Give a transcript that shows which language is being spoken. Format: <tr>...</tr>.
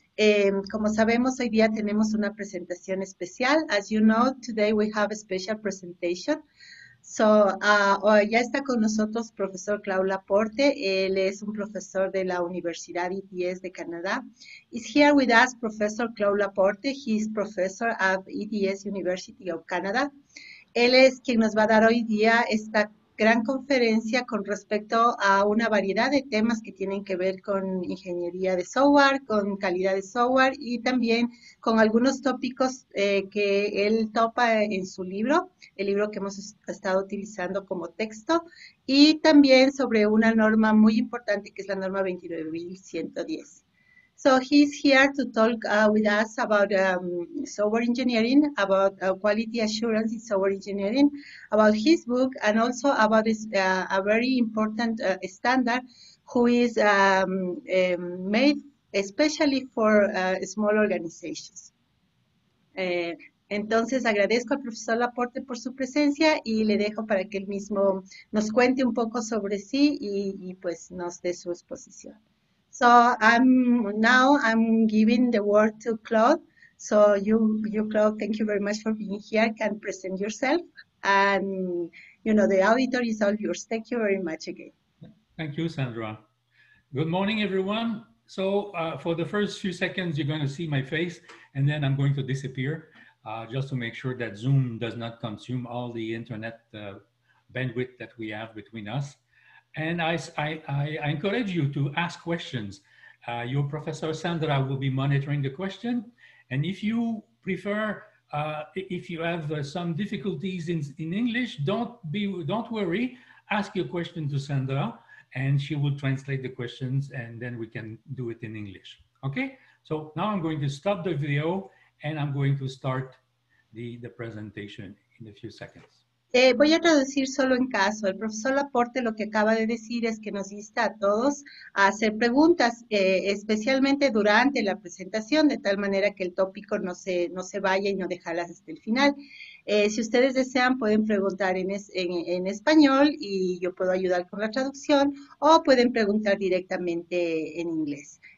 <es>Como sabemos, hoy día tenemos una presentación especial.</es> <en>As you know, today we have a special presentation.</en> <es>So, ya está con nosotros profesor Clau Laporte. Él es un profesor de la Universidad ETS de Canadá.</es> <en>He's here with us, Professor Clau Laporte. He's professor at ETS University of Canada.</en> <es>Él es quien nos va a dar hoy día esta gran conferencia con respecto a una variedad de temas que tienen que ver con ingeniería de software, con calidad de software y también con algunos tópicos que él topa en su libro, el libro que hemos estado utilizando como texto, y también sobre una norma muy importante que es la norma 29110.</es> <en>So he's here to talk with us about software engineering, about quality assurance in software engineering, about his book, and also about this, a very important standard who is made especially for small organizations.</en> <es>Entonces, agradezco al profesor Laporte por su presencia y le dejo para que él mismo nos cuente un poco sobre sí y pues nos dé su exposición.</es> <en>So I'm giving the word to Claude. So you Claude, thank you very much for being here. Can present yourself, and you know the auditor is all yours. Thank you very much again. Thank you, Sandra. Good morning, everyone. So for the first few seconds, you're going to see my face, and then I'm going to disappear, just to make sure that Zoom does not consume all the internet bandwidth that we have between us. And I encourage you to ask questions. Your professor Sandra will be monitoring the question. And if you prefer, if you have some difficulties in English, don't worry. Ask your question to Sandra, and she will translate the questions, and then we can do it in English. Okay. So now I'm going to stop the video, and I'm going to start the presentation in a few seconds.</en> <es>Voy a traducir solo en caso. El profesor Laporte lo que acaba de decir es que nos insta a todos a hacer preguntas, especialmente durante la presentación, de tal manera que el tópico no se vaya y no dejarlas hasta el final. Si ustedes desean, pueden preguntar en español y yo puedo ayudar con la traducción, o pueden preguntar directamente en inglés.</es>